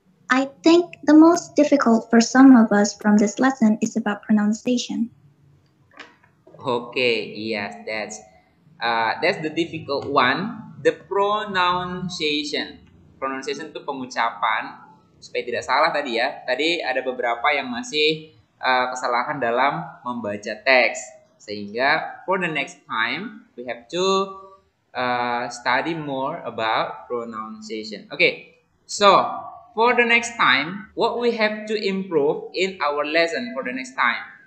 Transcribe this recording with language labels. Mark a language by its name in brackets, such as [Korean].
[English] I think the most difficult for some of us from this lesson is about pronunciation. Okay, yes, that's the difficult one, the pronunciation. [Indonesian] Pronunciation itu pengucapan, supaya tidak salah tadi ya. Tadi ada beberapa yang masih kesalahan dalam membaca teks. Sehingga [English] for the next time, we have to study more about pronunciation. Okay, so for the next time, what we have to improve in our lesson for the next time?